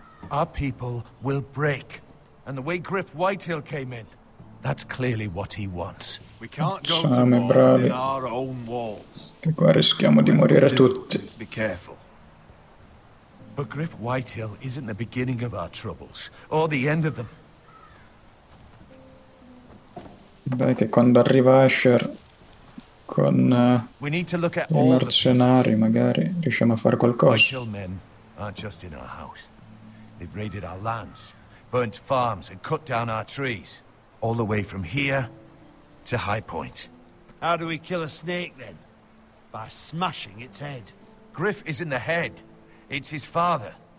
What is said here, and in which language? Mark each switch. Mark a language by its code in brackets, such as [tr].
[en] Our people will break, and the way Griff Whitehill came in, that's clearly what he wants. We can't go to war in our own walls. [it] Che qua rischiamo di morire tutti. [en] Be careful. But Griff Whitehill isn't the beginning of our troubles, or the end of them. [it] Dai, che quando arriva Asher con i mercenari, magari riusciamo a fare qualcosa. [en] Whitehill men aren't just in our house. They've raided our lands, burnt farms, and cut down our trees. All the way from here to High Point. How do we kill a snake then? By smashing its head. Griff isn't the head. It's his father.